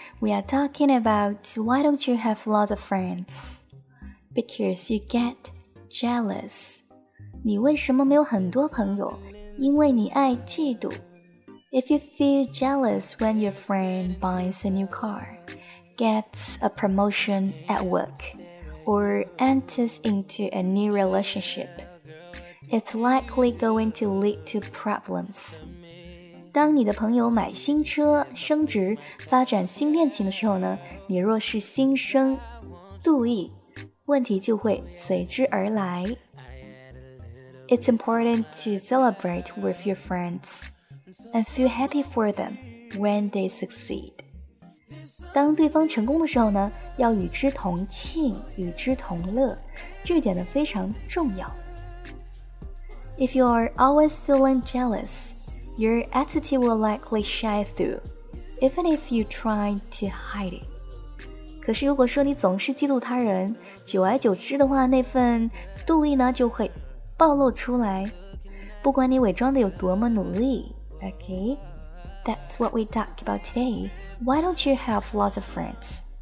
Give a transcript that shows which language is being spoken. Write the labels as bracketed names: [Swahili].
[English] We are talking about why don't you have lots of friends? Because you get jealous. [Chinese] 你为什么没有很多朋友？因为你爱嫉妒。 [English] If you feel jealous when your friend buys a new car, gets a promotion at work, or enters into a new relationship, it's likely going to lead to problems. [Chinese] 当你的朋友买新车、升职、发展新恋情的时候呢，你若是心生妒意，问题就会随之而来。 [English] It's important to celebrate with your friends and feel happy for them when they succeed. [Chinese] 当对方成功的时候呢，要与之同庆，与之同乐，这点呢非常重要。 [English] If you are always feeling jealous,Your attitude will likely shine through, even if you try to hide it. [Chinese] 可是如果说你总是嫉妒他人，久而久之的话，那份妒意呢就会暴露出来。不管你伪装得有多么努力。 [English] Okay, that's what we talk about today. Why don't you have lots of friends?